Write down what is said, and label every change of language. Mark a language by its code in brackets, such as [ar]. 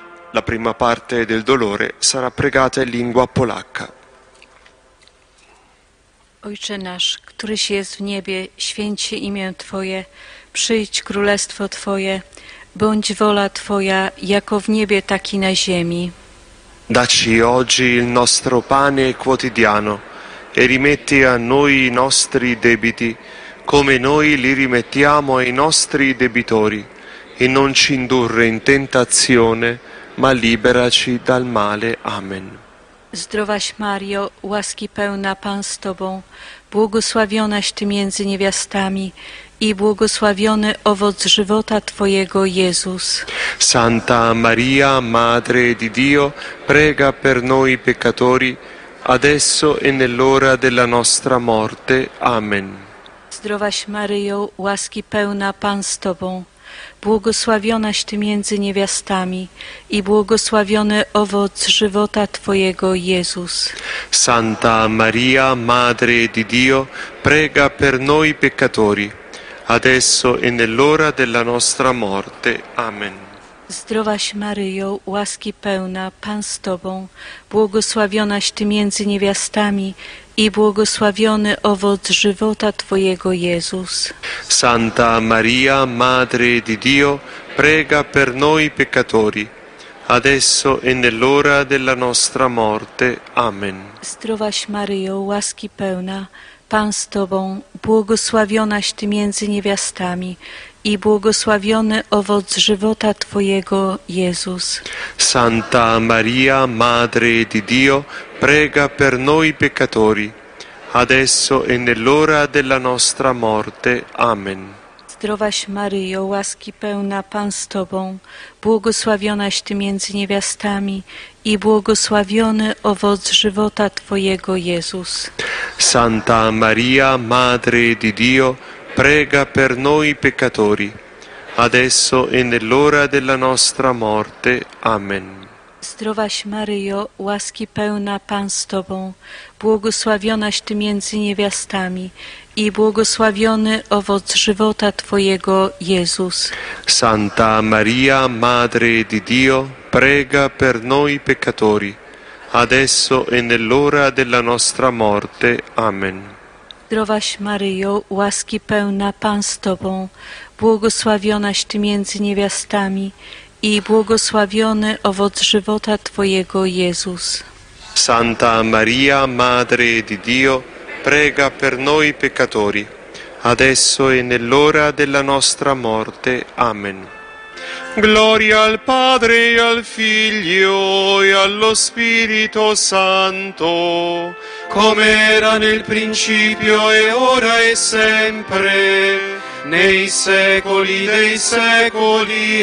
[it] La prima parte del dolore sarà pregata in lingua polacca. [pl] Ojcze nasz, któryś jest w niebie, święć się imię Twoje, przyjdź królestwo Twoje, bądź wola Twoja, jako w niebie, tak i na ziemi. [it] Dacci oggi il nostro pane quotidiano e rimetti a noi i nostri debiti, come noi li rimettiamo ai nostri debitori, e non ci indurre in tentazione, ma liberaci dal male. Amen. [pl] Zdrowaś Mario, łaski pełna, Pan z Tobą, błogosławionaś Ty między niewiastami i błogosławiony owoc żywota Twojego, Jezus. [it] Santa Maria, Madre di Dio, prega per noi peccatori, adesso e nell'ora della nostra morte. Amen. [pl] Zdrowaś Maryjo, łaski pełna, Pan z Tobą, błogosławionaś Ty między niewiastami i błogosławiony owoc żywota Twojego, Jezus. [it] Santa Maria, Madre di Dio, prega per noi peccatori, adesso e nell'ora della nostra morte. Amen. [pl] Zdrowaś Maryjo, łaski pełna, Pan z Tobą, błogosławionaś Ty między niewiastami i błogosławiony owoc żywota Twojego, Jezus. [it] Santa Maria, Madre di Dio, prega per noi peccatori, adesso e nell'ora della nostra morte. Amen. [pl] Zdrowaś Maryjo, łaski pełna, Pan z Tobą, błogosławionaś Ty między niewiastami i błogosławiony owoc żywota Twojego, Jezus. [it] Santa Maria, Madre di Dio, prega per noi peccatori, adesso e nell'ora della nostra morte. Amen. [pl] Zdrowaś Maryjo, łaski pełna, Pan z Tobą, błogosławionaś Ty między niewiastami i błogosławiony owoc żywota Twojego, Jezus. [it] Santa Maria, Madre di Dio, prega per noi peccatori, adesso e nell'ora della nostra morte. Amen. [pl] Zdrowaś Maryjo, łaski pełna, Pan z Tobą, błogosławionaś Ty między niewiastami i błogosławiony owoc żywota Twojego, Jezus. [it] Santa Maria, Madre di Dio, prega per noi peccatori, adesso e nell'ora della nostra morte. Amen. [pl] Zdrowaś Maryjo, łaski pełna, Pan z Tobą, błogosławionaś Ty między niewiastami i błogosławiony owoc żywota Twojego, Jezus. [it] Santa Maria, Madre di Dio, prega per noi peccatori, adesso e nell'ora della nostra morte. Amen. Gloria al Padre e al Figlio e allo Spirito Santo, come era nel principio e ora e sempre, nei secoli dei secoli.